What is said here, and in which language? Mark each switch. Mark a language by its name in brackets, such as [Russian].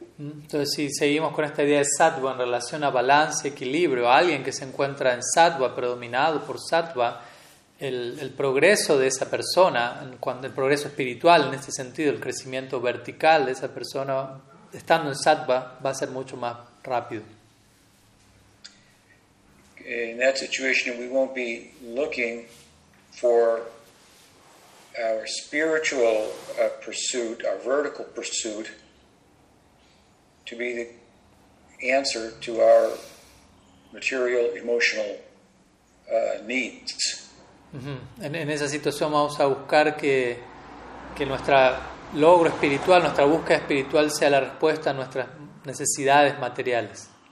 [Spanish] Entonces, si seguimos con esta idea de sattva en relación a balance, equilibrio, alguien que se encuentra en sattva, predominado por sattva, el progreso de esa persona, cuando el progreso espiritual en este sentido, el crecimiento vertical de esa persona, estando en sattva, va a ser mucho más rápido. [English] In that situation, we won't be looking for our spiritual pursuit, our vertical pursuit, to be the answer to our material, emotional needs. Mm-hmm. [Spanish] En esa situación vamos a buscar que nuestro logro espiritual, nuestra búsqueda espiritual sea la respuesta a nuestras necesidades materiales.